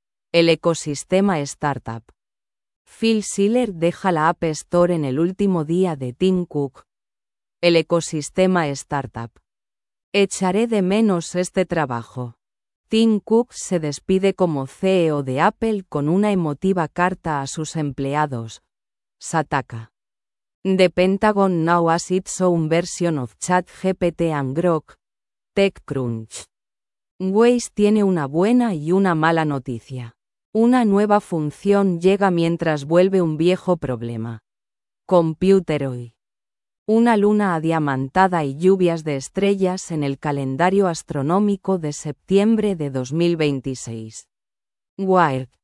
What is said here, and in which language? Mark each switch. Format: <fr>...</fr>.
<es>El ecosistema startup. Phil Schiller deja la App Store en el último día de Tim Cook. El ecosistema startup. Echaré de menos este trabajo. Tim Cook se despide como CEO de Apple con una emotiva carta a sus empleados. Sataka.</es> <en>The Pentagon now has its own version of ChatGPT and Grok. TechCrunch.</en> <es>Waze tiene una buena y una mala noticia. Una nueva función llega mientras vuelve un viejo problema. Computer hoy. Una luna adiamantada y lluvias de estrellas en el calendario astronómico de septiembre de 2026. Wired.</es>